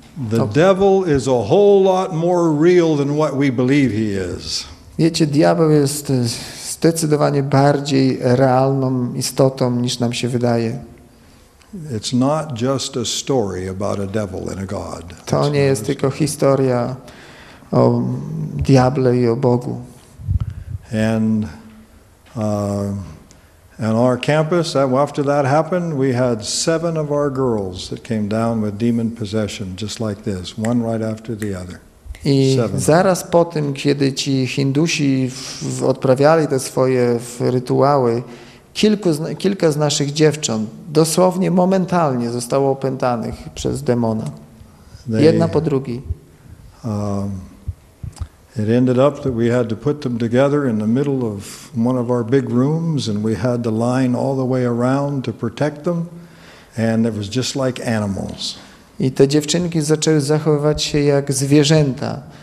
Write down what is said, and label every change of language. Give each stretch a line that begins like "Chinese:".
English: The devil is a whole lot more real than what we believe he is.
Polish: Wiecie, diabeł jest zdecydowanie bardziej realną istotą, niż nam się wydaje.
English: It's not just a story about a devil and a god.
Polish: To nie jest tylko historia o diable i o Bogu.
English: And And our campus, after that happened, we had seven of our girls that came down with demon possession, just like this, one right after the other.
Polish: I zaraz po tym, kiedy ci Hindusi odprawiali te swoje rytuały, kilka z naszych dziewcząt dosłownie momentalnie zostało opętanych przez demona. Jedna po drugiej.
English: It ended up that we had to put them together in the middle of one of our big rooms, and we had to line all the way around to protect them, and it was just like animals.
Polish: I te dziewczynki zaczęły zachowywać się jak zwierzęta.